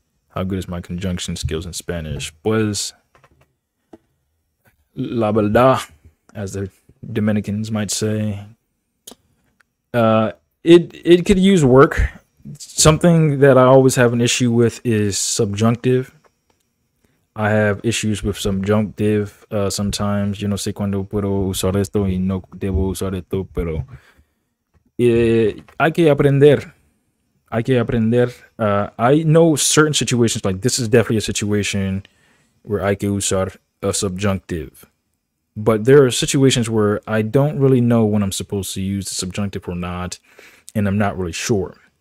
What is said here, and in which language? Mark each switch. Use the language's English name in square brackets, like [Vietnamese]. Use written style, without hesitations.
[English] How good is my conjunction skills in Spanish? [Spanish] Pues, la verdad, [English] as the Dominicans might say. It could use work. Something that I always have an issue with is subjunctive. I have issues with subjunctive sometimes. [Spanish] Yo no sé cuándo puedo usar esto y no debo usar esto, pero hay que aprender. [English] I know certain situations, like this is definitely a situation where I can usar a subjunctive. But there are situations where I don't really know when I'm supposed to use the subjunctive or not, and I'm not really sure.